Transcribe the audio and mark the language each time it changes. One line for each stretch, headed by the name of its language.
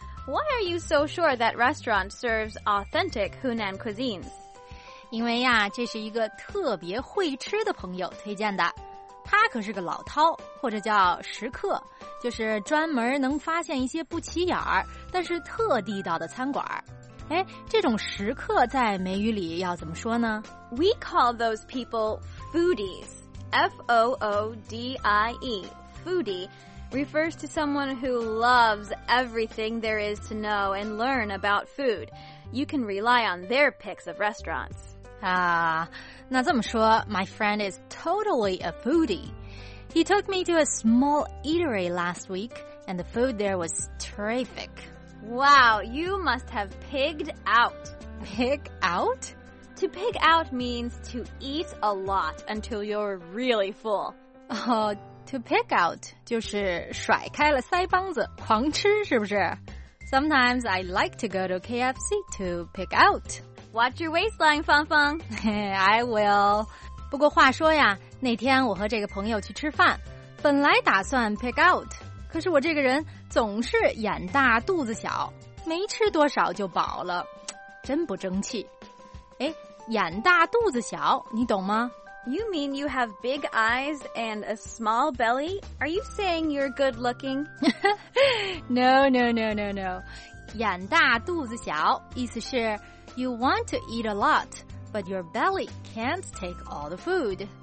English: Why are you so sure that restaurant serves authentic Hunan cuisines?
Chinese: 因为呀，这是一个特别会吃的朋友推荐的。他可是个老饕，或者叫食客，就是专门能发现一些不起眼儿但是特地道的餐馆。哎，这种食客在美语里要怎么说呢？
English: We call those people foodies. F-O-O-D-I-E, foodie refers to someone who loves everything there is to know and learn about food. You can rely on their picks of restaurants. Ah,
Chinese: 那这么说
English: my friend is totally a foodie. He took me to a small eatery last week, and the food there was terrific. Wow, you must have pigged out. Pig out? To pig out means to eat a lot until you're really full. To pig out
Chinese: 就是甩开了腮帮子狂吃是不是
English: Sometimes I like to go to KFC to pig out. Watch your waistline, 芳芳 I will.
Chinese: 不过话说呀那天我和这个朋友去吃饭本来打算 pig out, 可是我这个人总是眼大肚子小没吃多少就饱了真不争气。诶眼大肚子小你懂吗
English: You mean you have big eyes and a small belly? Are you saying you're good looking? No.
Chinese: 眼大肚子小意思是
English: you want to eat a lot, but your belly can't take all the food.